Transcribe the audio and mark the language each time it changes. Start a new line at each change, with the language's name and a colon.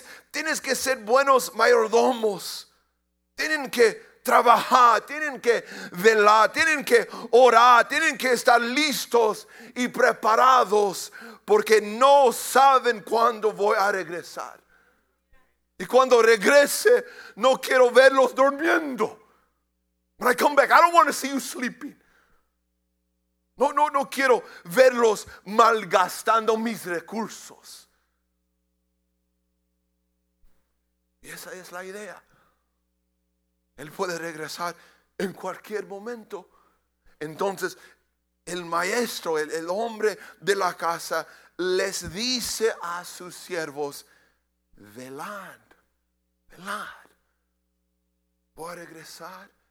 Spanish: Tienes que ser buenos mayordomos, tienen que trabajar, tienen que velar, tienen que orar, tienen que estar listos y preparados, porque no saben cuándo voy a regresar. Y cuando regrese, no quiero verlos durmiendo.
English: When I come back, I don't want to see you sleeping.
Spanish: No quiero verlos malgastando mis recursos. Y esa es la idea. Él puede regresar en cualquier momento. Entonces, el maestro, el hombre de la casa, les dice a sus siervos: velad, velad. Voy a regresar.